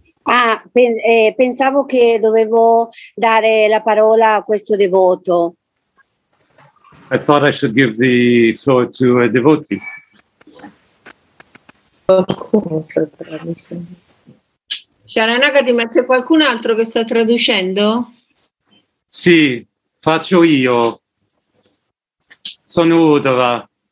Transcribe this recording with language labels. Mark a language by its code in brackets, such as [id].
[it] Ah, pensavo che dovevo dare la parola a questo devoto. [en] I thought I should give the floor to a devotee. Of course. [it] Sharanagati, ma c'è qualcun altro che sta traducendo? Sì, faccio io. Sono Udova.